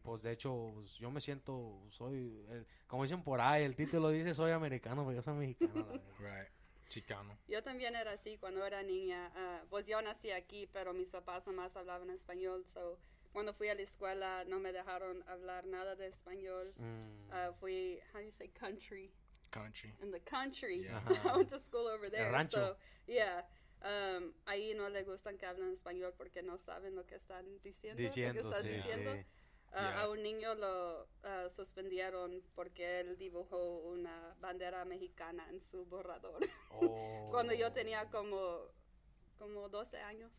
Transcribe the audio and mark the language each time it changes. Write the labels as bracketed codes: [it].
[es] Pues de hecho, pues, yo me siento, soy, como dicen por ahí, el título dice soy americano, pero yo soy mexicano, la verdad. [en] Right, chicano. [es] Yo también era así cuando era niña, pues yo nací aquí, pero mis papás nomás hablaban español, [en] so... [es] Cuando fui a la escuela, no me dejaron hablar nada de español. Fui, [en] how do you say, country? Country. In the country. Yeah. I went to school over there. [es] El rancho. [en] So, yeah. [es] Ahí no le gustan que hablen español porque no saben lo que están diciendo. Diciendo. Yeah. A un niño lo suspendieron porque él dibujó una bandera mexicana en su borrador. Oh. Cuando yo tenía como... Como 12 años.